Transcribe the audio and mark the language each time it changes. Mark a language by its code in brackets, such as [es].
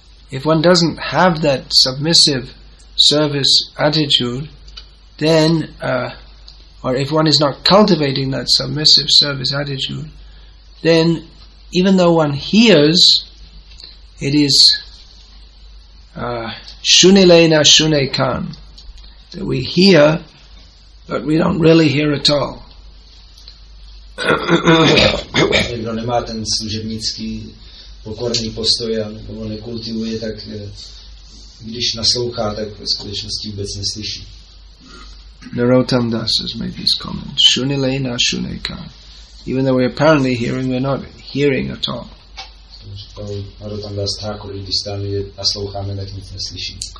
[en] If one doesn't have that submissive service attitude, then, or if one is not cultivating that submissive service attitude, then even though one hears, it is [sa] shunilena shunekan, [en] that we hear, but we don't really hear at all. [cs] Kdo nemá ten služebnický pokorný postoj a nebo nekultivuje, tak když naslouchá, tak ve skutečnosti vůbec neslyší. [en] Narottam Das has made this comment. [sa] Shunilena shuneka. [en] Even though we're apparently hearing, we're not hearing at all. [cs] Narottam Das Thakur, když stále nasloucháme, tak nic neslyší.